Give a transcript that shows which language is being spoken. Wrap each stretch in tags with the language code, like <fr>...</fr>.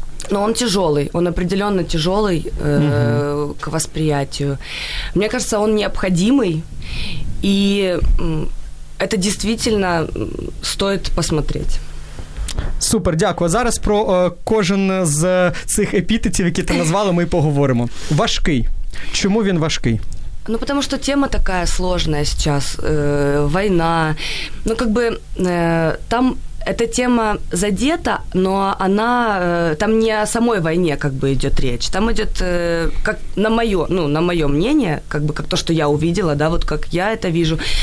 <ru>Ну, он тяжелый, он определенно тяжелый к восприятию. Мне кажется, он необходимый и... Это действительно стоит посмотреть.</ru> <uk>Супер, дякую. Зараз про кожен з цих епітетів, які ти назвала, ми поговоримо. Важкий. Чому він важкий?</uk> <ru>Ну, потому что тема такая сложная сейчас. Война. Ну, как бы там эта тема задета, но она там не о самой войне как бы идет речь. Там идет как на мое, ну, на мое мнение, как бы как то, что я увидела, да, вот как я это вижу.</ru>